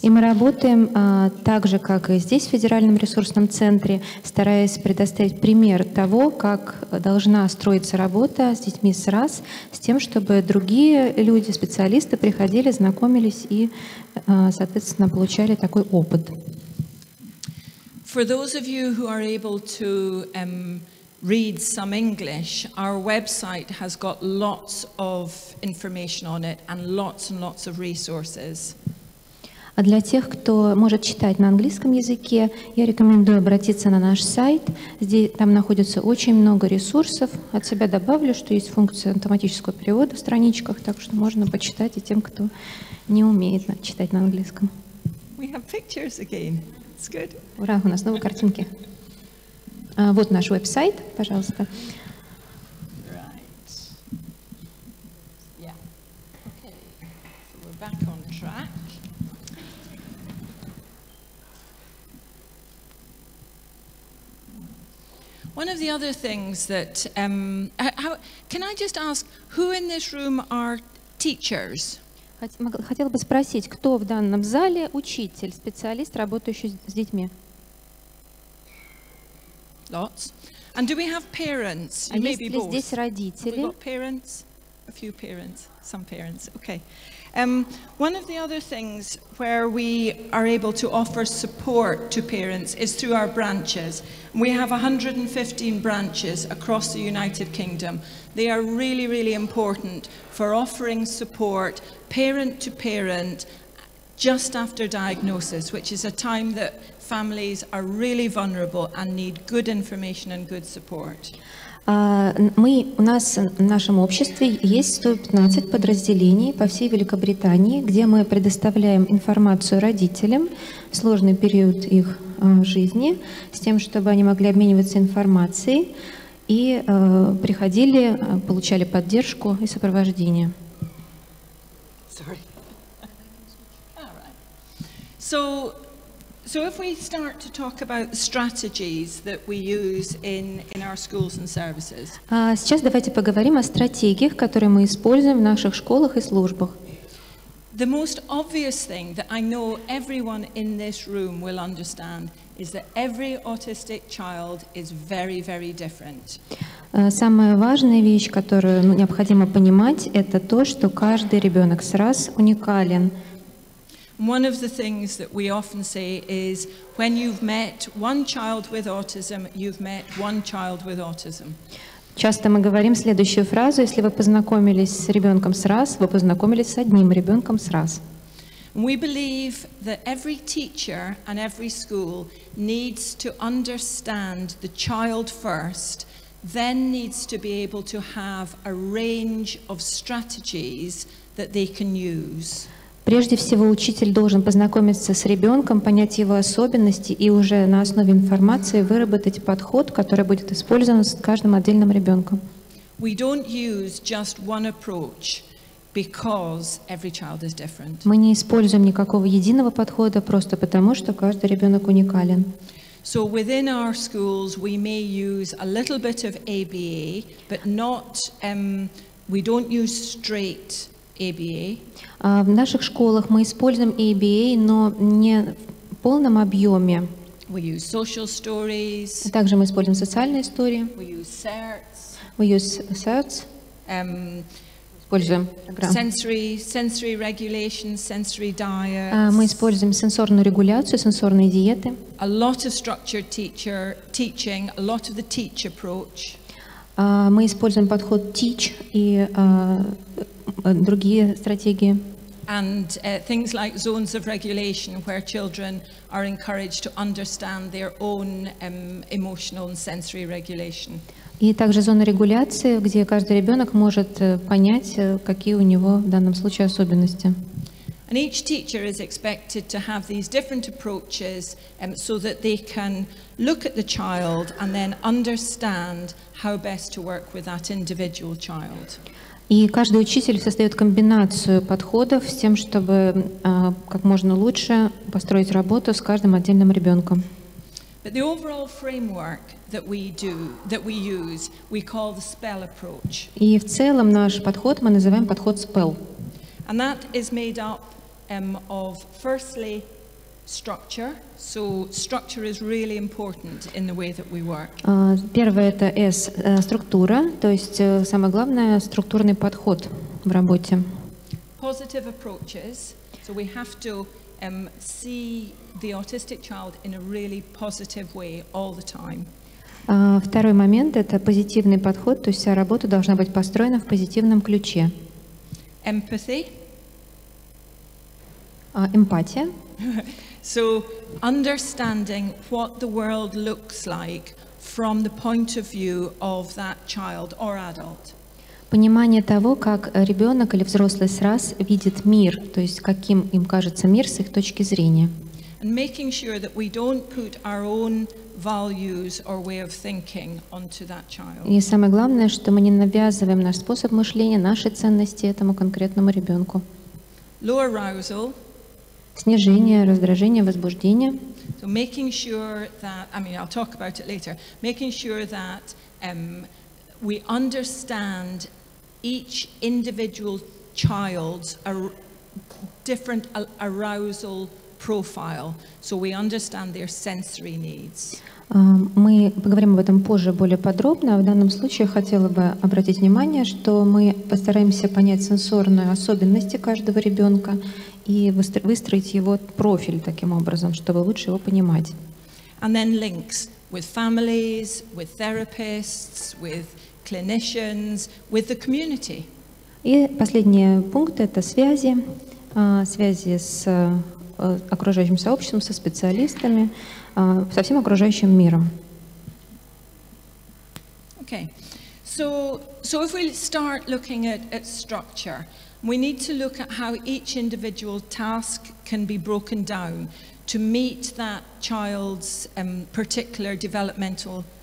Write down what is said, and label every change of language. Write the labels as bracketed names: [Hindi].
[Russian] И мы работаем так же, как и здесь, в Федеральном ресурсном центре, стараясь предоставить пример того, как должна строиться работа с детьми с РАС, с тем, чтобы другие люди, специалисты приходили, знакомились и, соответственно, получали такой опыт. [English] For those of you who are able to read some English, our website has got lots of information on it and lots of resources. [Russian] А для тех, кто может читать на английском языке, я рекомендую обратиться на наш сайт. Здесь там находится очень много ресурсов. От себя добавлю, что есть функция автоматического перевода в страничках, так что можно почитать и тем, кто не умеет читать на английском. [English] We have pictures again. It's good. [Russian] Ура, у нас новые картинки. Вот наш веб-сайт, пожалуйста. [English] Right. Yeah. Okay. So we're back on track. One of the other things that can I just ask, who in this room are teachers? [Russian] Хотела бы спросить, кто в данном зале учитель, специалист, работающий с детьми? [English] Lots. And do we have parents? Maybe both. [Russian] Здесь родители? [English] Have we got parents? A few parents. Some parents. Okay. One of the other things where we are able to offer support to parents is through our branches. We have 115 branches across the United Kingdom. They are really, really important for offering support parent to parent just after diagnosis, which is a time that families are really vulnerable and need good information and good support. [Russian] У нас в нашем обществе есть 115 подразделений по всей Великобритании, где мы предоставляем информацию родителям в сложный период их жизни, с тем, чтобы они могли обмениваться информацией. и приходили, получали поддержку и сопровождение. [English] Sorry. All right. So if we start to talk about strategies that we use in our schools and services. Сейчас давайте поговорим о стратегиях, которые мы используем в наших школах и службах. The most obvious thing that I know everyone in this room will understand is that every autistic child is very, very different. [Russian] Самая важная вещь, которую необходимо понимать, это то, что каждый ребенок с RAS уникален. [English] One of the things that we often say is, when you've met one child with autism, you've met one child with autism. [Russian] Часто мы говорим следующую фразу: если вы познакомились с ребенком с RAS, вы познакомились с одним ребенком с RAS. [English] We believe that every teacher and every school needs to understand the child first, then needs to be able to have a range of strategies that they can use. [Russian] Прежде всего, учитель должен познакомиться с ребенком, понять его особенности и уже на основе информации выработать подход, который будет использован с каждым отдельным ребенком. [English] We don't use just one approach because every child is different. [Russian] Мы не используем никакого единого подхода просто потому, что каждый ребенок уникален. [English] So within our schools we may use a little bit of ABA, but not we don't use straight ABA. [Russian] В наших школах мы используем ABA, но не в полном объеме. [English] We use social stories. [Russian] Также мы используем социальные истории. [English] We use certs. We use certs. [Russian] Используем программу. [English] Sensory regulation, sensory diets. [Russian] Мы используем сенсорную регуляцию, сенсорные диеты. [English] A lot of structured teaching, a lot of the teach approach. [Russian] Мы используем подход teach и другие стратегии. [English] And things like zones of regulation, where children are encouraged to understand their own emotional and sensory regulation. [Russian] И также зоны регуляции, где каждый ребенок может понять, какие у него в данном случае особенности. [English] And each teacher is expected to have these different approaches, so that they can look at the child and then understand how best to work with that individual child. [Russian] И каждый учитель создает комбинацию подходов с тем, чтобы как можно лучше построить работу с каждым отдельным ребенком. [English] But the overall framework that we use, we call the spell approach. [Russian] И в целом наш подход мы называем подход spell. [English] And that is made up of firstly structure. So structure is really important in the way that we work. [Russian] Первое это S, структура, то есть самое главное структурный подход в работе. [English] Positive approaches. So we have to see the autistic child in a really positive way all the time. [Russian] Второй момент это позитивный подход, то есть вся работа должна быть построена в позитивном ключе. [English] Empathy. [Russian] Эмпатия. [English] So understanding what the world looks like from the point of view of that child or adult. [Russian] Понимание того, как ребенок или взрослый с RAS видит мир, то есть каким им кажется мир с их точки зрения. [English] And making sure that we don't put our own values or way of thinking onto that child. [Russian] И самое главное, что мы не навязываем наш способ мышления, наши ценности этому конкретному ребенку. [English] Low arousal. [Russian] Снижение, раздражение, возбуждение. [English] So making sure that, I mean, I'll talk about it later. Making sure that we understand each individual child's different arousal profile, so we understand their sensory needs. [Russian] Мы поговорим об этом позже более подробно. В данном случае хотела бы обратить внимание, что мы постараемся понять сенсорные особенности каждого ребенка и выстроить его профиль таким образом, чтобы лучше его понимать. [English] And then links with families, with therapists, with clinicians, with the community. [Russian] И последний пункт – это связи. Связи с окружающим сообществом, со специалистами, со всем окружающим миром. [English] Okay. So if we start looking at structure, we need to look at how each individual task can be broken down to meet that child's particular developmental